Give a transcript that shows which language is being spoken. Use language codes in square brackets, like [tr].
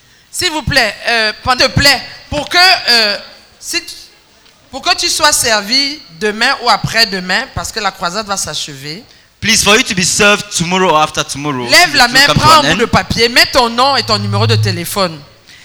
[fr] S'il vous plaît, te plaît, pour que tu sois servi demain ou après-demain, parce que la croisade va s'achever. [en] Please, for you to be served tomorrow or after tomorrow. [fr] Lève la main, prends un bout de papier, mets ton nom et ton numéro de téléphone.